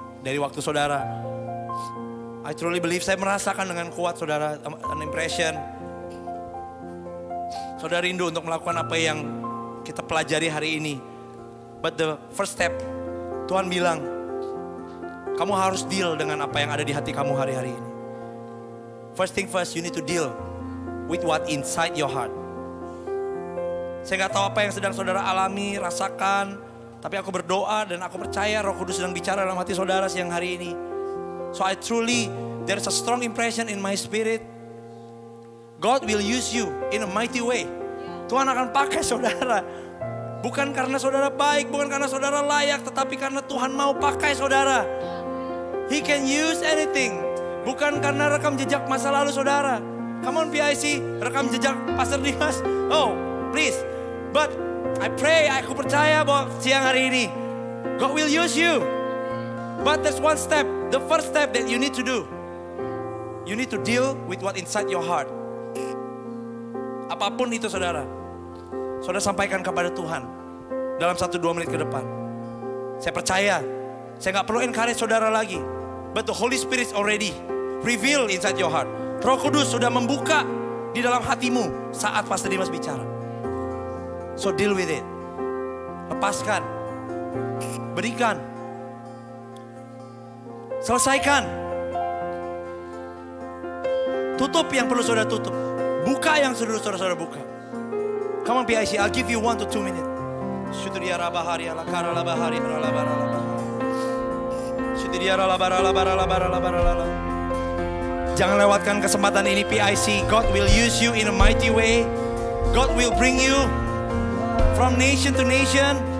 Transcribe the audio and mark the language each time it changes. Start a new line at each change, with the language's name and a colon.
Indonesian: Dari waktu saudara,
English: I truly believe,
Indonesian: saya merasakan dengan kuat saudara,
English: an impression.
Indonesian: Saudara rindu untuk melakukan apa yang kita pelajari hari ini.
English: But the first step,
Indonesian: Tuhan bilang, kamu harus deal dengan apa yang ada di hati kamu hari-hari ini.
English: First thing first, you need to deal with what inside your heart.
Indonesian: Saya gak tahu apa yang sedang saudara alami, rasakan. Tapi aku berdoa dan aku percaya Roh Kudus sedang bicara dalam hati saudara siang hari ini.
English: So I truly, there's a strong impression in my spirit. God will use you in a mighty way.
Indonesian: Tuhan akan pakai saudara. Bukan karena saudara baik, bukan karena saudara layak, tetapi karena Tuhan mau pakai saudara.
English: He can use anything.
Indonesian: Bukan karena rekam jejak masa lalu saudara.
English: Come on PIC,
Indonesian: rekam jejak
English: Pastor Dimas. Oh, please. But I pray,
Indonesian: aku percaya bahwa siang hari ini
English: God will use you. But there's one step, the first step that you need to do. You need to deal with what inside your heart.
Indonesian: Apapun itu saudara, saudara sampaikan kepada Tuhan dalam 1-2 menit ke depan. Saya percaya, saya gak perlu encourage saudara lagi.
English: But the Holy Spirit already reveal inside your heart.
Indonesian: Roh Kudus sudah membuka di dalam hatimu saat Pastor Dimas bicara.
English: So deal with it.
Indonesian: Lepaskan. Berikan. Selesaikan. Tutup yang perlu saudara tutup. Buka yang seluruh saudara-saudara buka.
English: Come on BIC, I'll give you 1 to 2 minutes. Shudriya rabahari ala kara labahari ala labara labahari. Shudriya rabahari ala kara labahari ala labara labahari.
Indonesian: Jangan lewatkan kesempatan ini PIC.
English: God will use you in a mighty way. God will bring you from nation to nation.